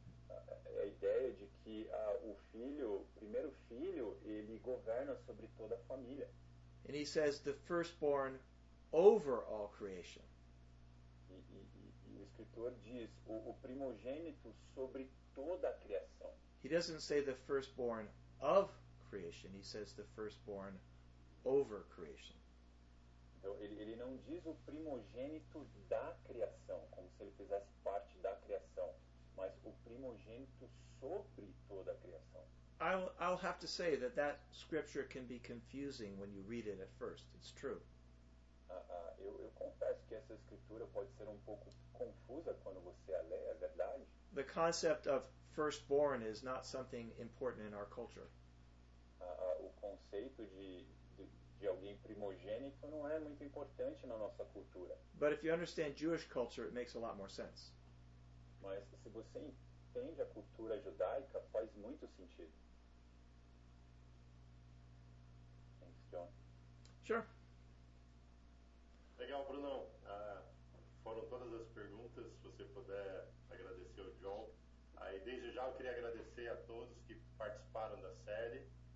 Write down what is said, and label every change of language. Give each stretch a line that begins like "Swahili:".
Portuguese: A ideia de que o filho, primeiro filho, ele governa sobre toda a família.
English: And he says the firstborn over all creation.
Portuguese: E o escritor diz o primogênito sobre toda a criação.
English: He doesn't say the firstborn of creation. He says the firstborn over creation.
Portuguese: Então, ele não diz o primogênito da criação, como se ele fizesse parte da criação, mas o primogênito sobre toda a criação.
English: I'll have to say that that scripture can be confusing when you read it at first. It's true.
Portuguese: Eu confesso que essa escritura pode ser um pouco confusa quando você a lê, é verdade.
English: The concept of firstborn is not something important in our culture.
Portuguese: O conceito de alguém primogênito não é muito importante na nossa cultura.
English: But if you understand Jewish culture, it makes a lot more sense.
Portuguese: Mas se você entende a cultura judaica, faz muito sentido.
English: Thanks, John. Sure.
Portuguese: Legal, Bruno. Foram todas as perguntas. Se você puder agradecer ao John. Aí, desde já, eu queria agradecer a todos que participaram da série.